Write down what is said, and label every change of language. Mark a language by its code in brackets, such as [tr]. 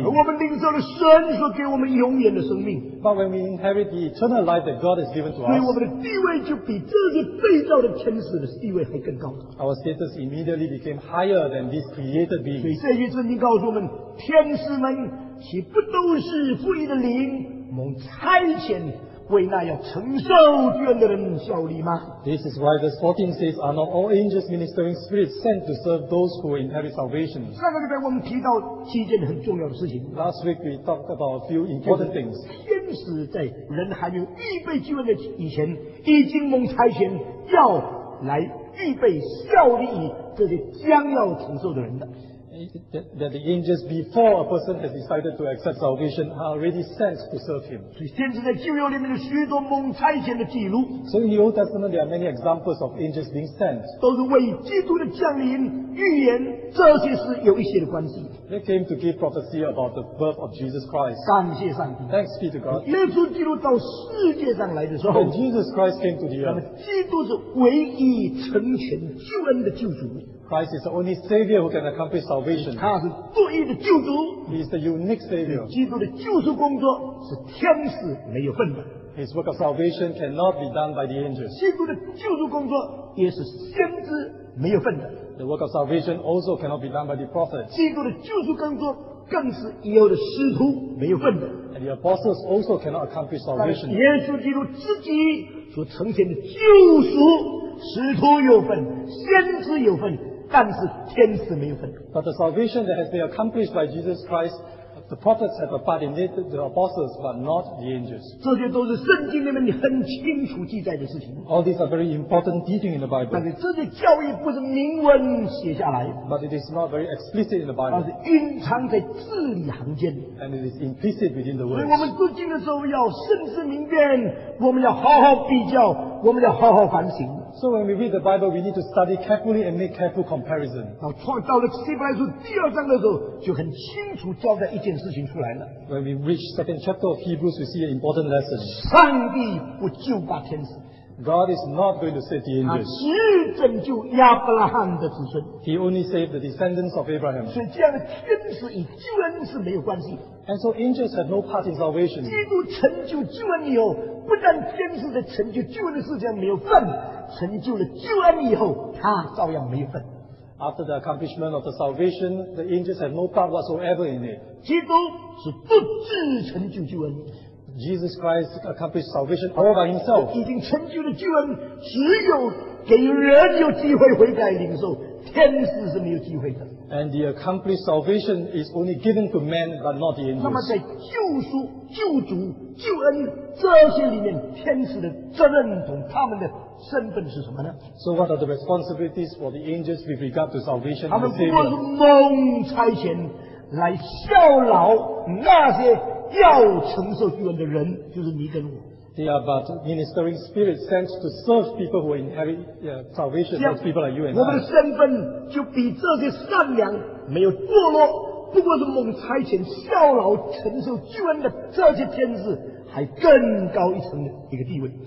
[en] But when we inherit the eternal life that God has given to us, our status immediately became higher than this created being. [zh] 为那要承受眷的人效力吗？ [en] This is why verse 14 says, are not all angels ministering spirits sent to serve those who inherit salvation? [zh] 上个礼拜我们提到七件很重要的事情。 [en] Last week we talked about a few important things. [zh] 天使在人还没有预备机会的以前，已经蒙差遣要来预备效力这些将要承受的人的。 [en] That the angels before a person has decided to accept salvation are already sent to serve him. So in the Old Testament, there are many examples of angels being sent. They came to give prophecy about the birth of Jesus Christ. Thanks be to God. When Jesus Christ came to the earth, Christ is the only Savior who can accomplish salvation. He is the unique Savior. [zh] 基督的救赎工作是天使没有份的。 [en] His work of salvation cannot be done by the angels. [zh] 基督的救赎工作也是先知没有份的。 [en] The work of salvation also cannot be done by the prophets. [zh] 基督的救赎工作更是以后的使徒没有份的。 [en] And the apostles also cannot accomplish salvation. [zh] 耶稣基督自己所呈现的救赎，使徒有份，先知有份，但是天使没有份。 [en] But the salvation that has been accomplished by Jesus Christ, the prophets have a part in it, the apostles, but not the angels. [zh] 这些都是圣经里面很清楚记载的事情。 [en] All these are very important teaching in the Bible. [zh] 但是这些教义不是明文写下来。 [en] But it is not very explicit in the Bible. [zh] 而是隐藏在字里行间。 [en] And it is implicit within the words. [zh] 所以我们读经的时候要慎思明辨，我们要好好比较，我们要好好反省。 [en] So when we read the Bible, we need to study carefully and make careful comparison. [zh] 到了希伯来书第二章的时候，就很清楚交代一件事情出来了。 [en] When we reach second chapter of Hebrews, we see an important lesson. [zh] 上帝不救拔天使。 [en] God is not going to save the angels. [zh] 他只拯救亚伯拉罕的子孙。 [en] He only saved the descendants of Abraham. [zh] 所以这样的天使与救恩是没有关系。 [en] And so angels have no part in salvation. [zh] 基督成就救恩以后，不但天使的成就救恩的事情没有份，成就了救恩以后，他照样没有份。 [en] After the accomplishment of the salvation, the angels have no part whatsoever in it. [zh] 基督是不自成就救恩。 [en] Jesus Christ accomplished salvation all by himself. [zh] 已经成就了救恩，只有给人有机会悔改领受，天使是没有机会的。 [en] And the accomplished salvation is only given to men, but not the angels. [zh] 那么在救赎、救主、救恩这些里面，天使的责任同他们的身份是什么呢？ [en] So what are the responsibilities for the angels with regard to salvation? [zh] 他们不过是蒙差遣来效劳那些要承受救恩的人，就是你跟我。 [en] They are but ministering spirits sent to serve people who inherit salvation, as people like you and I. [zh] 我们的身份就比这些善良没有堕落，不过是蒙差遣效劳承受救恩的这些天使还更高一层的一个地位。